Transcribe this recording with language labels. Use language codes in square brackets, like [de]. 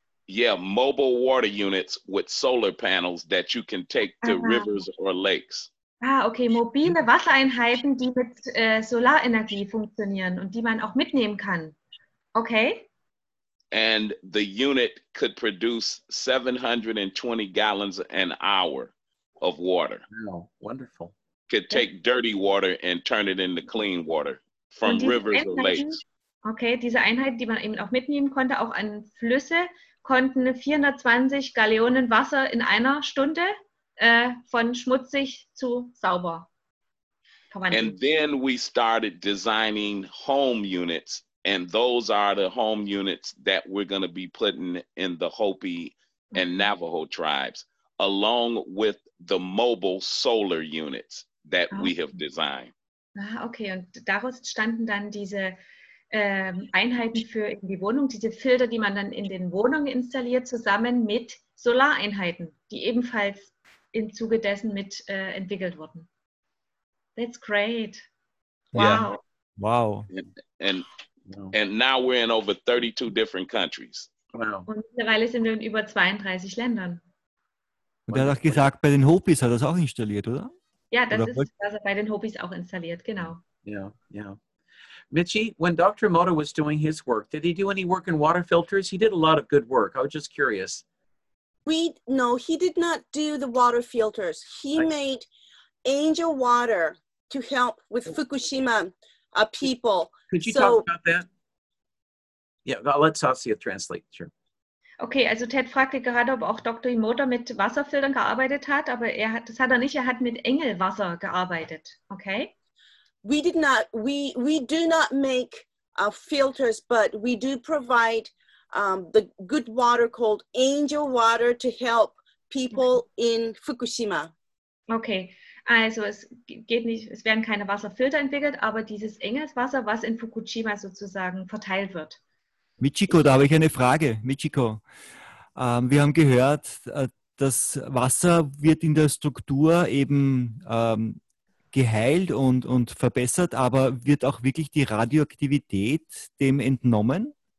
[en] Yeah, mobile water units with solar panels that you can take to rivers or lakes. [de] Ah, okay, mobile Wassereinheiten, die mit Solarenergie funktionieren und die man auch mitnehmen kann. [en] Okay. And the unit could produce 720 gallons an hour of water. Wow, wonderful. Could take dirty water and turn it into clean water from rivers or lakes. [de] Okay, diese Einheit, die man eben auch mitnehmen konnte, auch an Flüsse, konnten 420 Gallonen Wasser in einer Stunde von schmutzig zu sauber verwandeln. [en] And then we started designing home units, and those are the home units that we're going to be putting in the Hopi and Navajo tribes, along with the mobile solar units that we have designed. [de] Ah, okay, und daraus entstanden dann diese Einheiten für die Wohnung, diese Filter, die man dann in den Wohnungen installiert, zusammen mit Solareinheiten, die ebenfalls im Zuge dessen mit entwickelt wurden. [en] That's great. Wow. Yeah. Wow. And now we're in over 32 different countries. [de] Wow. Und mittlerweile sind wir in über 32 Ländern. Und er hat auch gesagt, bei den Hopis hat er es auch installiert, oder? Ja, das oder ist also bei den Hopis auch installiert, genau. Ja, yeah, ja. Yeah. [en] Mitchie, when Dr. Moto was doing his work, did he do any work in water filters? He did a lot of good work. I was just curious. No, he did not do the water filters. He made angel water to help with Fukushima people. Could you talk about that? Yeah, I'll let Sasia translate. Sure. [de] Okay, also Ted fragte gerade, ob auch Dr. Imoto mit Wasserfiltern gearbeitet hat, aber er hat mit Engelwasser gearbeitet, okay? [en] We do not make filters, but we do provide the good water called angel water to help people in Fukushima. Okay, [de] Also es geht nicht, es werden keine Wasserfilter entwickelt, aber dieses enge Wasser, was in Fukushima sozusagen verteilt wird. Michiko, da habe ich eine Frage. Michiko, wir haben gehört, das Wasser wird in der Struktur eben geheilt und verbessert, aber wird auch wirklich die Radioaktivität dem entnommen?